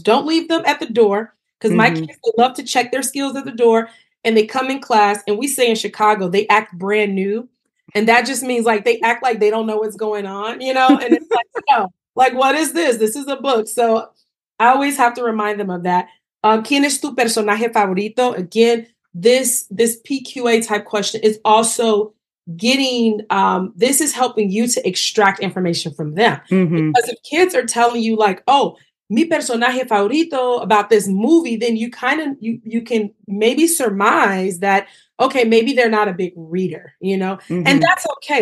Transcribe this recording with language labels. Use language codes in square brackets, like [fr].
[en] Don't leave them at the door, because my kids, they love to check their skills at the door, and they come in class, and we say in Chicago, they act brand new. And that just means like they act like they don't know what's going on, and it's like, no, like, what is this? This is a book. So I always have to remind them of that. [es] ¿Quién es tu personaje favorito? [en] Again, this PQA type question is also getting, this is helping you to extract information from them. Because if kids are telling you like, oh, [es] mi personaje favorito [en] about this movie, then you kind of, you can maybe surmise that, okay, maybe they're not a big reader, and that's okay.